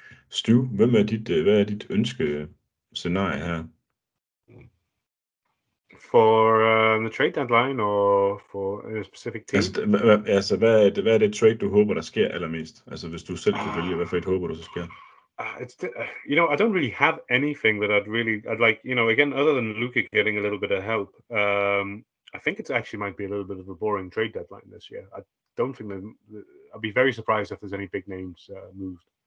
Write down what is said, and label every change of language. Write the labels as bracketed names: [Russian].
[Danish] Stu, hvad er dit ønske scenarie her? [English] For the trade deadline or for a specific team? [Danish] Altså hvad er det trade, du håber, der sker allermest? Altså hvis du selv kunne vælge, hvad for et håber du, så sker? [English] You know, I don't really have anything that I'd like, you know, again, other than Luka getting a little bit of help. I think it actually might be a little bit of a boring trade deadline this year. I don't think I'd be very surprised if there's any big names moved.